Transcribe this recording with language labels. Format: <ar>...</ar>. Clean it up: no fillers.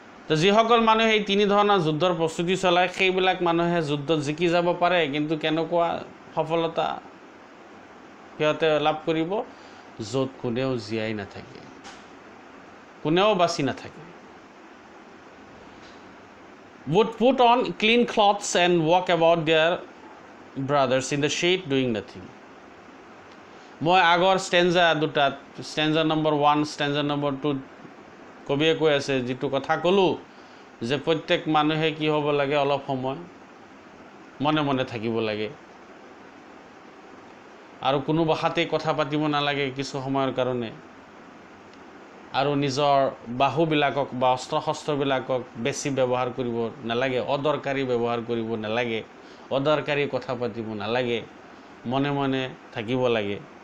<as>তো যিসকল মানুহে এই তিনি ধৰণৰ যুদ্ধৰ প্ৰস্তুতি চলায় সেইবিলাক মানুহে যুদ্ধ জিকি যাব পাৰে, কিন্তু কেনেকুৱা সফলতা সিহঁতে লাভ কৰিব য'ত কোনেও জীয়াই নাথাকে, কোনেও বাচি নাথাকে.</as> <en>Would put on clean clothes and walk about their brothers in the shade doing nothing.</en> <as>মই আগৰ ষ্টেঞ্জা দুটাত, stanza number one, stanza number two কবিয়ে কৈ আছে যিটো কথা ক'লোঁ যে প্ৰত্যেক মানুহে কি হ'ব লাগে, অলপ সময় মনে মনে থাকিব লাগে আৰু কোনো বাহাতেই কথা পাতিব নালাগে কিছু সময়ৰ কাৰণে, আৰু নিজৰ বাহুবিলাকক বা অস্ত্ৰ শস্ত্ৰবিলাকক বেছি ব্যৱহাৰ কৰিব নালাগে, অদৰকাৰী ব্যৱহাৰ কৰিব নালাগে, অদৰকাৰী কথা পাতিব নালাগে, মনে মনে থাকিব লাগে.</as>